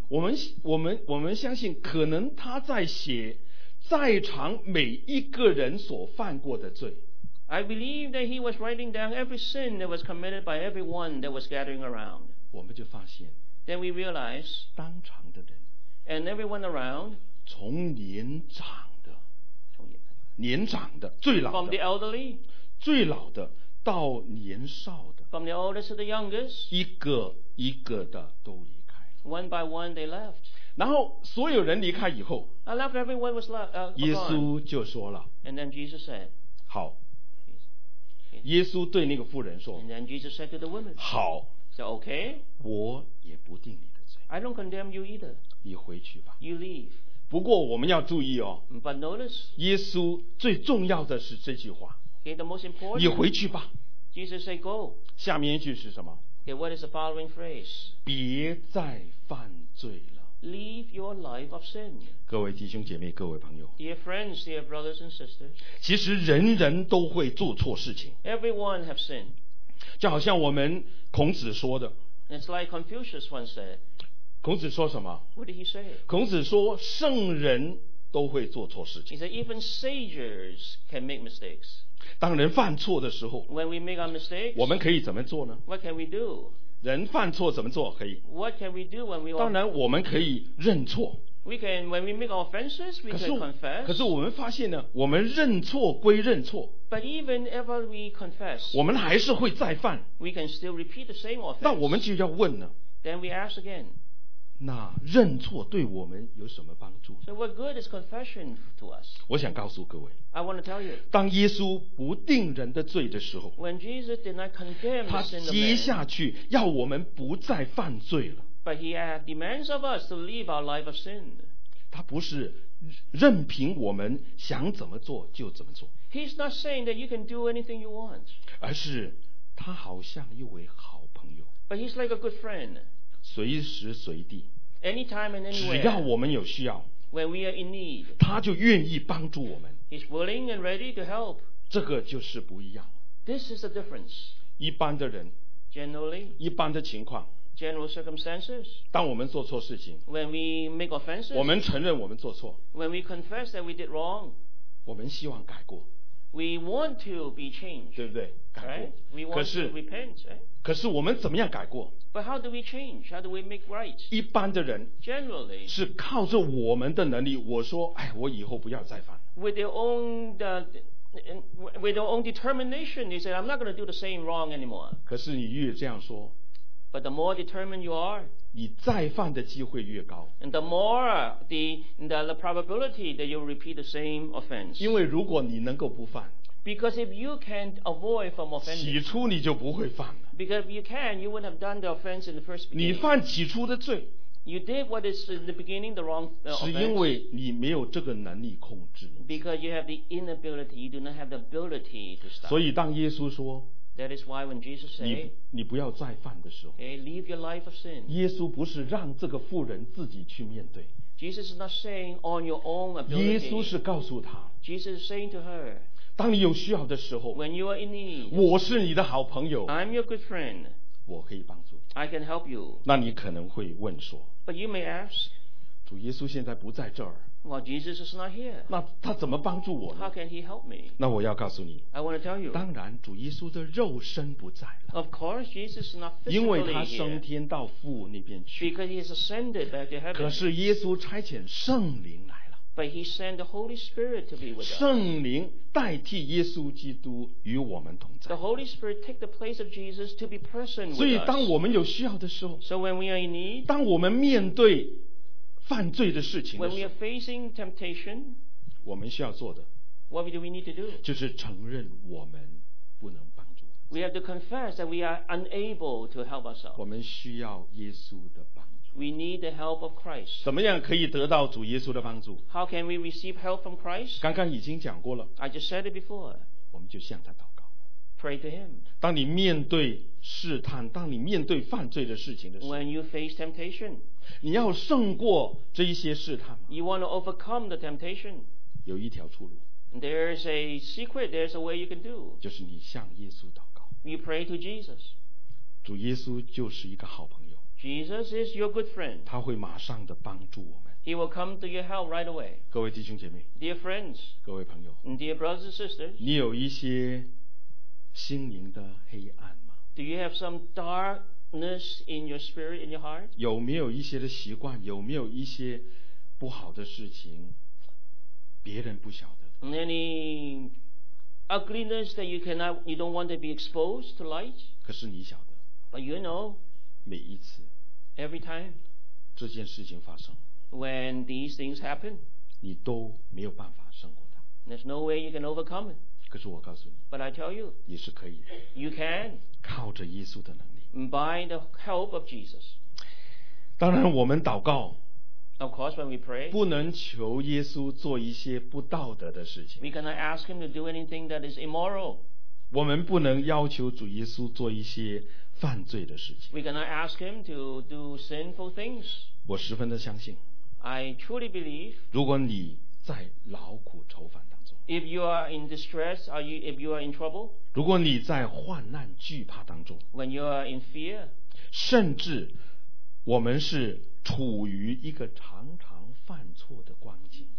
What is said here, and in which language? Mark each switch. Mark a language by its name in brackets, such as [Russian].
[Chinese] 我们相信，可能他在写在场每一个人所犯过的罪。 [English] I believe that he was writing down every sin that was committed by everyone that was gathering around. [Chinese] 我们就发现 [English] Then we realize [Chinese] 当场的人 [English] And everyone around [Chinese] 从年长的年长的最老的 [English] From the elderly [Chinese] 最老的到年少的 [English] From the oldest to the youngest [Chinese] 一个一个的都离开了 [English] One by one they left [Chinese] 然后所有人离开以后 [English] I left everyone was left [Chinese] 耶稣就说了 [English] And then Jesus said [Chinese] 好耶稣对那个妇人说 [English] And then Jesus said to the woman, [Chinese] 好 [English] so, okay, [Chinese] 我也不定你的罪 [English] I don't condemn you either. [Chinese] 你回去吧 [English] You leave. [Chinese] 不过我们要注意哦 [English] But notice, [Chinese] 耶稣最重要的是这句话 [English] okay, the most important, [Chinese] 你回去吧 [English] Jesus said go. [Chinese] 下面一句是什么 [English] okay, What is the following phrase? [Chinese] 别再犯罪了 [English] Leave your life of sin. [Chinese] 各位弟兄姐妹，各位朋友。 [English] Dear friends, dear brothers and sisters. [Chinese] 其实人人都会做错事情。 [English] Everyone have sinned. [Chinese] 就好像我们孔子说的。 [English] It's like Confucius once said. [Chinese] 孔子说什么 [English] ？What did he say? [Chinese] 孔子说圣人都会做错事情。 [English] He said even sages can make mistakes. [Chinese] 当人犯错的时候 [English] ，When we make our mistakes, [Chinese] 我们可以怎么做呢 [English] ？What can we do? [Chinese] 人犯错怎么做可以 [English] What can we do when we [Chinese] 当然我们可以认错 [English] we can, when we make offenses, we [Chinese] 可是我们发现呢我们认错归认错 [English] But even ever we confess, [Chinese] 我们还是会再犯 [English] we can still repeat the same offense. [Chinese] 那我们就要问呢 [English] Then we ask again, [Chinese] 那认错对我们有什么帮助 [English] so what good is confession to us? [Chinese] 我想告诉各位 [English] I want to tell you, [Chinese] 当耶稣不定人的罪的时候 [English] when Jesus did not condemn [Chinese] 他接下去要我们不再犯罪了 [English] but he had demands of us to leave our life of sin [Chinese] 他不是任凭我们想怎么做就怎么做 [English] he's not saying that you can do anything you want [Chinese] 而是他好像一位好朋友 [English] but he's like a good friend [Chinese] 随时随地 [English] Anytime and anywhere, [Chinese] 只要我们有需要 [English] when we are in need, [Chinese] 他就愿意帮助我们 [English] He's willing and ready to help. [Chinese] 这个就是不一样 [English] This is the difference. [Chinese] 一般的人 [English] Generally, [Chinese] 一般的情况 [English] General circumstances, [Chinese] 当我们做错事情 [English] when we make offenses, [Chinese] 我们承认我们做错 [English] when we confess that we did wrong, [Chinese] 我们希望改过 [English] we want to be changed, [Chinese] 对不对改过 [English] right? We want to repent, [Chinese] 可是我们怎么样改过 [English] But how do we change? How do we make right? [Chinese] 一般的人 [English] Generally [Chinese] 是靠着我们的能力我说哎，我以后不要再犯 [English] With their own determination they say I'm not going to do the same wrong anymore [Chinese] 可是你越这样说 [English] But the more determined you are [Chinese] 你再犯的机会越高 [English] And the more the probability that you repeat the same offense [Chinese] 因为如果你能够不犯 [English] Because if you can't avoid from offending, [Chinese] 起初你就不会犯了。 [English] Because if you can, you wouldn't have done the offense in the first beginning. [Chinese] 你犯起初的罪。 [English] You did what is in the beginning the wrong offense. [Chinese] 是因为你没有这个能力控制。 [English] Because you have the inability, you do not have the ability to stop. [Chinese] 所以当耶稣说 [English] That is why when Jesus said, [Chinese] 你不要再犯的时候 [English] okay, leave your life of sin. [Chinese] 耶稣不是让这个妇人自己去面对。 [English] Jesus is not saying on your own ability. [Chinese] 耶稣是告诉他 [English] Jesus is saying to her, [Chinese] 当你有需要的时候 [English] When you are in need, [Chinese] 我是你的好朋友 [English] I'm your good friend, [Chinese] 我可以帮助你 [English] I can help you. [Chinese] 那你可能会问说 [English] But you may ask, [Chinese] 主耶稣现在不在这儿 [English] well, Jesus is not here. [Chinese] 那他怎么帮助我呢 [English] How can he help me? [Chinese] 那我要告诉你 [English] I want to tell you, [Chinese] 当然主耶稣的肉身不在了 [English] of course, Jesus is not physically here. [Chinese] 因为他升天到父那边去 [English] because he has ascended back to heaven. [Chinese] 可是耶稣差遣圣灵来 [English] But he sent the Holy Spirit to be with us. [Chinese] 圣灵代替耶稣基督与我们同在。 [English] The Holy Spirit take the place of Jesus to be present with us. [Chinese] 所以当我们有需要的时候 [English] So when we are in need, [Chinese] 当我们面对犯罪的事情的时候 [English] When we are facing temptation, [Chinese] 我们需要做的 [English] What do we need to do? [Chinese] 就是承认我们不能帮助。 [English] We have to confess that we are unable to help ourselves. [Chinese] 我们需要耶稣的帮助。 [English] We need the help of Christ. [Chinese] 怎么样可以得到主耶稣的帮助 [English] How can we receive help from Christ? [Chinese] 刚刚已经讲过了 [English] I just said it before. [Chinese] 我们就向他祷告 [English] Pray to him. [Chinese] 当你面对试探当你面对犯罪的事情的时候 [English] When you face temptation. [Chinese] 你要胜过这一些试探吗 [English] You want to overcome the temptation. [Chinese] 有一条出路 [English] There's a secret, there's a way you can do. [Chinese] 就是你向耶稣祷告 [English] You pray to Jesus. [Chinese] 主耶稣就是一个好朋友 [English] Jesus is your good friend. [Chinese] 他会马上的帮助我们。 [English] He will come to your help right away. [Chinese] 各位弟兄姐妹。 [English] Dear friends. [Chinese] 各位朋友。 [English] Dear brothers and sisters. [Chinese] 你有一些心灵的黑暗吗 [English] ？Do you have some darkness in your spirit, in your heart? [Chinese] 有没有一些的习惯？有没有一些不好的事情？别人不晓得。 [English] Any ugliness that you don't want to be exposed to light? [Chinese] 可是你晓得。 [English] But you know. [Chinese] 每一次 [English] Every time, [Chinese] 这件事情发生 [English] when these things happen, [Chinese] 你都没有办法胜过它 [English] There's no way you can overcome it [Chinese] 可是我告诉你 [English] But I tell you, [Chinese] 你是可以的 [English] You can [Chinese] 靠着耶稣的能力 [English] By the help of Jesus [Chinese] 当然我们祷告 [English] Of course when we pray [Chinese] 不能求耶稣做一些不道德的事情 [English] We cannot ask him to do anything that is immoral [Chinese] 我们不能要求主耶稣做一些犯罪的事情 [English] We cannot ask him to do sinful things [Chinese] 我十分的相信 [English] I truly believe [Chinese] 如果你在劳苦愁烦当中 [English] If you are in distress are you, If you are in trouble [Chinese] 如果你在患难惧怕当中 [English] When you are in fear [Chinese] 甚至我们是处于一个常常犯错的光景